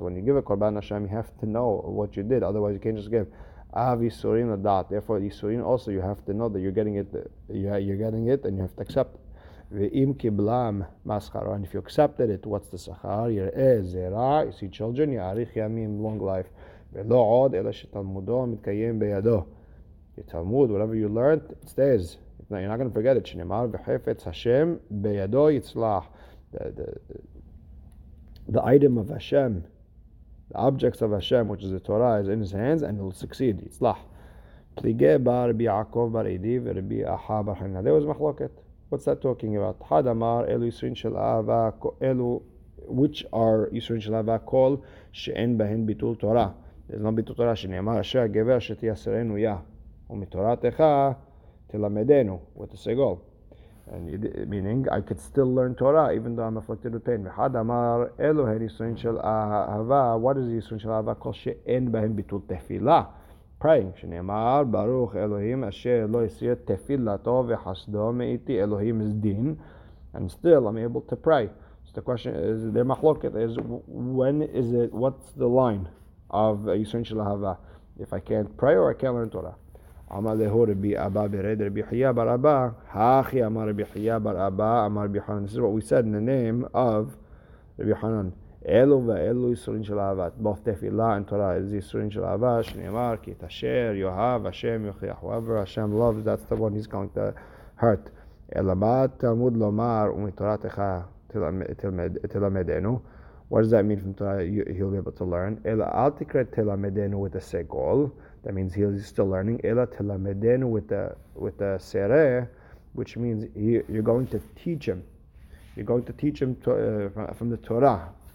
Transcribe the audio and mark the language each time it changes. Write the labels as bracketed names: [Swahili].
[English] When you give a Korban Asham, you have to know what you did, otherwise you can't just give. [Hebrew] Av Yisurin Adat. [English] Therefore, Yisurin also, you have to know that you're getting it, and you have to accept. [Hebrew] Ve'im kiblam maschar. [English] And if you accepted it, what's the sachar? [Hebrew] Yireh zera. [English] You see children. [Hebrew] Yareich yamim, [English] long life. [Hebrew] ולא עוד אלא שתלמודו מתקיים בידו. [English] תלמוד, whatever you learned, it stays. You're not going to forget it. [Hebrew] שנאמר וחפץ השם בידו יצלח. [English] The item of Hashem, the objects of Hashem, which is the Torah, is in his hands and will succeed. [Hebrew] יצלח. פליגי בר בי עקב בר עדי ורבי אחה בר חנינה. There was מחלוקת. [English] What's that talking about? [Hebrew] חד אמר אלו יסרין של אהבה, אלו, which are יסרין של אהבה כל שאין בהן ביטול תורה. [English] There's no [Hebrew] ביטול תורה שנאמר אשר הגבר שתייסרנו יה. ומתורתך תלמדנו, [English] with a segol. And meaning, I could still learn Torah even though I'm afflicted with pain. [Hebrew] וחד אמר אלו הן יסרין של אהבה, what is יסרין של אהבה כל שאין בהן ביטול תפילה. Praying, שנאמר, ברוך אלוהים אשר לא יסיר תפילתו וחסדו מאיתי, אלוהים is din, [English] and still I'm able to pray. So the question is, the machloket is, when is it, what's the line of Yisrin של אהבה? If I can't pray or I can't learn Torah. [Hebrew] אמר להו רבי אבא ברד רבי חייא בר אבא, האחי אמר רבי חייא בר אבא, אמר רבי חנן. [English] This is what we said in the name of רבי חנן. [Hebrew] אלו ואלו יסורים של אהבה, both תפילה and Torah, זה יסורים של אהבה, שנאמר, כי את אשר יאהב, השם יוכיח, [English] whoever השם loves, that's the one he's calling the heart. [Hebrew] אלא מה תלמוד לומר ומתורתך תלמדנו? [English] What does that mean from Torah, he'll be able to learn? [Hebrew] אלא אל תקרא תלמדנו [English] with a segol, that means he's still learning, [Hebrew] אלא תלמדנו [English] with a sere, which means you're going to teach him. You're going to teach him from the Torah.